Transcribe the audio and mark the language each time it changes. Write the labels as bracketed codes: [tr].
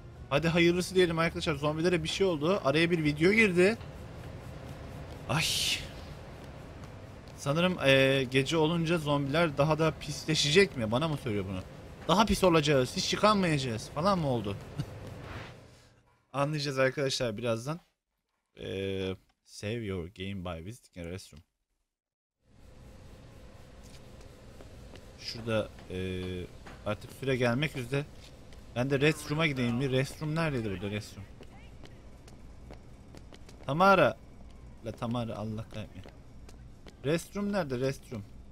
[tr] Hadi hayırlısı diyelim arkadaşlar, zombilere bir şey oldu. Araya bir video girdi. Ay. Sanırım gece olunca zombiler daha da pisleşecek mi? Bana mı söylüyor bunu? Daha pis olacağız, hiç çıkamayacağız falan mı oldu? Anlayacağız arkadaşlar birazdan. [en] Save your game by visiting a restroom. [tr] Şurada artık süre gelmek üzere. Ben de restroom'a gideyim. Bir restroom neredeydi burada restroom? Tamara. La Tamara, Allah kahretmeyin. Restroom nerede restroom?